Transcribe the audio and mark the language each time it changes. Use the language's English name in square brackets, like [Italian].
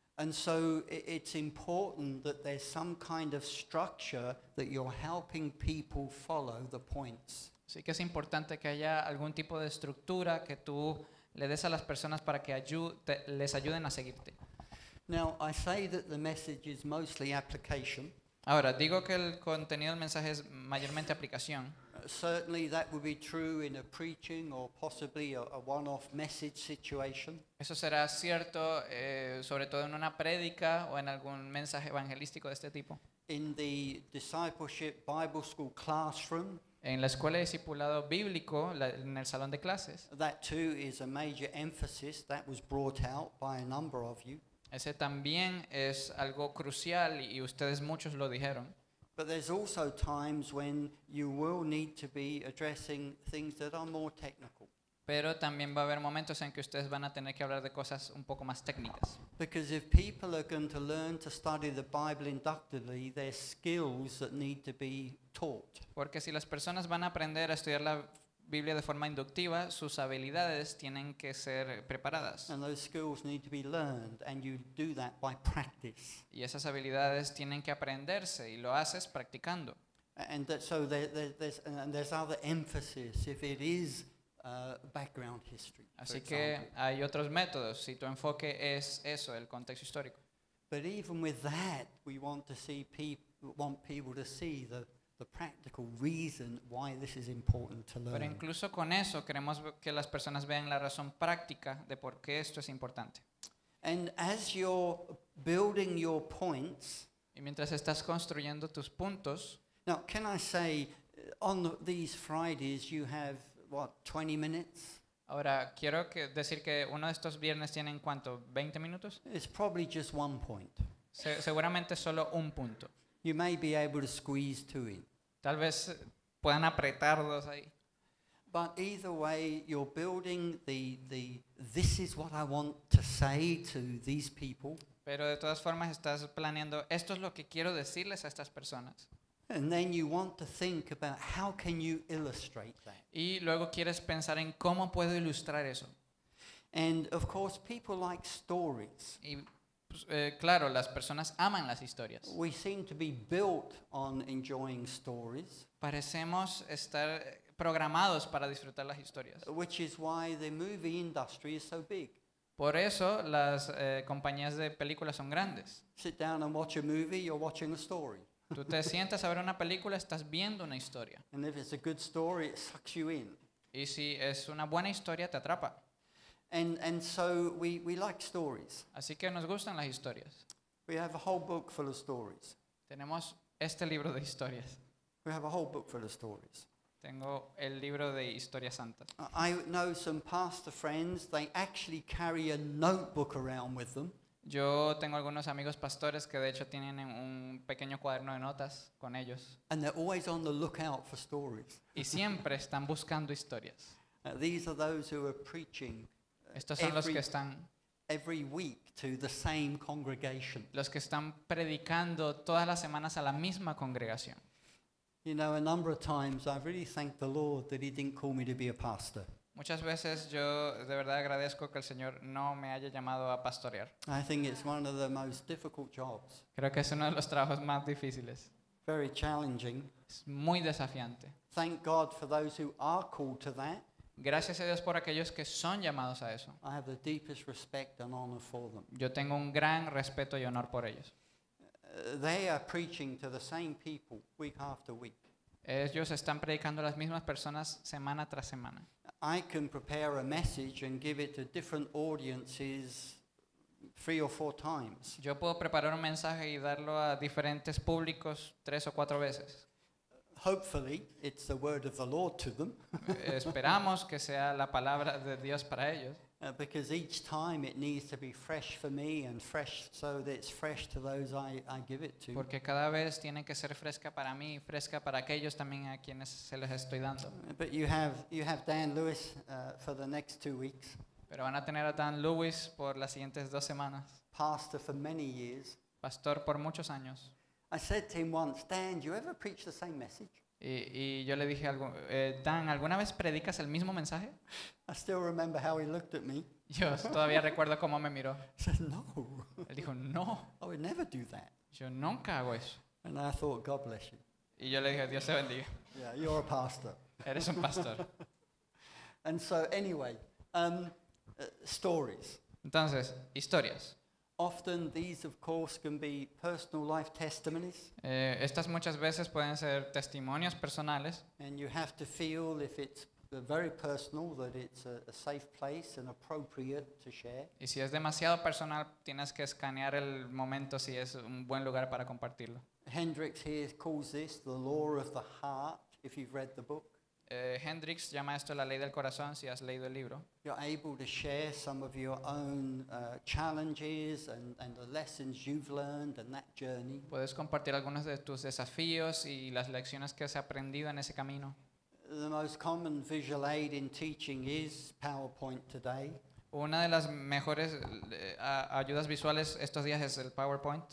[English] And so it's important that there's some kind of structure that you're helping people follow the points. [Spanish] Así que es importante que haya algún tipo de estructura que tú le des a las personas para que les ayuden a seguirte. [English] Now I say that the message is mostly application. [Spanish] Ahora digo que el contenido del mensaje es mayormente aplicación. [English] Certainly that would be true in a preaching or possibly a one-off message situation. [Spanish] Eso será cierto sobre todo en una prédica o en algún mensaje evangelístico de este tipo. [English] In the discipleship Bible school classroom. [Spanish] En la escuela de discipulado bíblico, en el salón de clases. [English] That too is a major emphasis that was brought out by a number of you. [Spanish] Ese también es algo crucial y ustedes muchos lo dijeron. [English] But there's also times when you will need to be addressing things that are more technical. [Spanish] Pero también va a haber momentos en que ustedes van a tener que hablar de cosas un poco más técnicas. [English] Because if people are going to learn to study the Bible inductively, there's skills that need to be taught. [Spanish] Porque si las personas van a aprender a estudiar la Biblia de forma inductiva, sus habilidades tienen que ser preparadas. [English] And those skills need to be learned, and you do that by practice. [Spanish] Y esas habilidades tienen que aprenderse, y lo haces practicando. [English] And that, so there's other emphasis if it is background history. [Spanish] Así que hay otros métodos si tu enfoque es eso, el contexto histórico. [English] But even with that, we want people to see the practical reason why this is important to learn. [Spanish] Pero incluso con eso queremos que las personas vean la razón práctica de por qué esto es importante. [English] And as you're building your points, [Spanish] y mientras estás construyendo tus puntos, [English] now can I say on these Fridays you have what, 20 minutes? [Spanish] Ahora quiero decir que uno de estos viernes tienen ¿cuánto? 20 minutos? [English] It's probably just one point. [Spanish] Seguramente solo un punto. [English] You may be able to squeeze two in. [Spanish] Tal vez puedan apretar dos ahí. [English] But either way, you're building the this is what I want to say to these people. [Spanish] Pero de todas formas estás planeando esto es lo que quiero decirles a estas personas. [English] And then you want to think about how can you illustrate that. [Spanish] Y luego quieres pensar en cómo puedo ilustrar eso. [English] And of course, people like stories. [Spanish] Y pues, claro, las personas aman las historias. [English] We seem to be built on enjoying stories. [Spanish] Parecemos estar programados para disfrutar las historias. [English] Which is why the movie industry is so big. [Spanish] Por eso las compañías de películas son grandes. [English] Sit down and watch a movie, you're watching a story. [Spanish] Tú te sientas a ver una película, estás viendo una historia. [English] And if it's a good story, it sucks you in. [Spanish] Y si es una buena historia, te atrapa. [English] And so we like stories. [Spanish] Así que nos gustan las historias. [English] We have a whole book full of stories. [Spanish] Tenemos este libro de historias. [English] We have a whole book full of stories. [Spanish] Tengo el libro de historias santas. [English] I know some pastor friends, they actually carry a notebook around with them. [Spanish] Yo tengo algunos amigos pastores que de hecho tienen un pequeño cuaderno de notas con ellos. [English] And they're always on the lookout for stories. [Spanish] Y siempre están buscando historias. [English] These are those who are preaching. [Spanish] Estos son los que están [English] every week to the same congregation. [Spanish] Los que están predicando todas las semanas a la misma congregación. [English] You know, a number of times I really thank the Lord that He didn't call me to be a pastor. [Spanish] Muchas veces yo de verdad agradezco que el Señor no me haya llamado a pastorear. [English] I think it's one of the most difficult jobs. [Spanish] Creo que es uno de los trabajos más difíciles. [English] Very challenging. [Spanish] Es muy desafiante. [English] Thank God for those who are called to that. [Spanish] Gracias a Dios por aquellos que son llamados a eso. [English] I have the deepest respect and honor for them. [Spanish] Yo tengo un gran respeto y honor por ellos. [English] They are preaching to the same people week after week. [Spanish] Ellos están predicando a las mismas personas semana tras semana. [English] I can prepare a message and give it to different audiences 3 or 4 times. [Spanish] Yo puedo preparar un mensaje y darlo a diferentes públicos 3 o 4 veces. [English] Hopefully, it's the word of the Lord to them. [Spanish] Esperamos que sea la palabra de Dios para ellos. [English] Because each time it needs to be fresh for me and fresh so that it's fresh to those I give it to. [Spanish] Porque cada vez tiene que ser fresca para mí y fresca para aquellos también a quienes se les estoy dando. [English] But you have Dan Lewis for the next 2 weeks. [Spanish] Pero van a tener a Dan Lewis por las siguientes 2 semanas. [English] Pastor for many years. [Spanish] Pastor por muchos años. [English] I said to him once, Dan, do you ever preach the same message? [Spanish] Y yo le dije algo, Dan, ¿alguna vez predicas el mismo mensaje? [English] I still remember how he looked at me. [Spanish] Yo todavía recuerdo cómo me miró. [English] He said, no. [Spanish] Él dijo, no. [English] I would never do that. [Spanish] Yo nunca hago eso. [English] And I thought, God bless you. [Spanish] Y yo le dije, Dios te bendiga. [English] Yeah, you're a pastor. [Spanish] Eres un pastor. [English] And so anyway, stories. [Spanish] Entonces, historias. [English] Often these, of course, can be personal life testimonies. [Spanish] Estas muchas veces pueden ser testimonios personales. [English] And you have to feel if it's very personal that it's a safe place and appropriate to share. [Spanish] Y si es demasiado personal, tienes que escanear el momento si es un buen lugar para compartirlo. [English] Hendrix here calls this the law of the heart. If you've read the book. [Spanish] Hendrix llama esto la ley del corazón si has leído el libro. [English] You're able to share some of your own challenges and the lessons you've learned and that journey. [Spanish] Puedes compartir algunos de tus desafíos y las lecciones que has aprendido en ese camino. [English] The most common visual aid in teaching is PowerPoint today. [Spanish] Una de las mejores ayudas visuales estos días es el PowerPoint.